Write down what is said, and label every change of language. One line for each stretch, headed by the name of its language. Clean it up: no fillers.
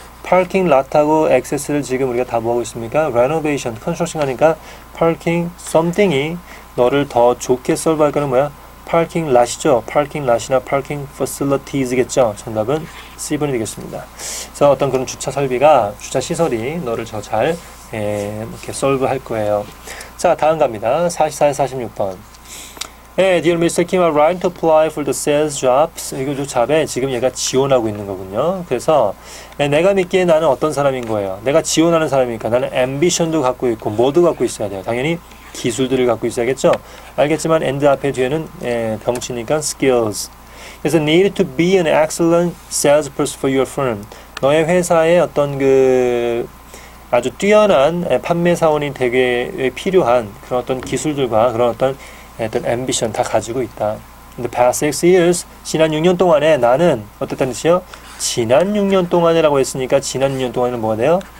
Korean: parking lot하고 access를 지금 우리가 다 뭐하고 있습니까? renovation, construction 하니까 parking something이 너를 더 좋게 썰 밝혀는 뭐야? parking lot이죠. parking lot이나 parking facilities겠죠. 정답은 7이 되겠습니다. 그래서 어떤 그런 주차 설비가, 주차 시설이 너를 더 잘, 이렇게 솔브 할 거예요. 자, 다음 갑니다. 44에 46번.
English: Hey, dear Mr. Kim, I'm trying to apply for the sales jobs.
Korean: 이거 조합에 지금 얘가 지원하고 있는 거군요. 그래서 내가 믿기에 나는 어떤 사람인 거예요? 내가 지원하는 사람이니까 나는 앰비션도 갖고 있고 뭐도 갖고 있어야 돼요. 당연히 기술들을 갖고 있어야겠죠. 알겠지만 end 앞에 뒤에는 병치니까 skills. 그래서
English: need to be an excellent salesperson for your firm.
Korean: 너의 회사에 어떤 그 아주 뛰어난 판매 사원이 되게 필요한 그런 어떤 기술들과 그런 어떤 앰비션 다 가지고 있다.
English: In the past 6 years,
Korean: 지난 6년 동안에 나는 어떻다는 뜻이요? 지난 6년 동안이라고 했으니까 지난 6년 동안은 뭐가 돼요?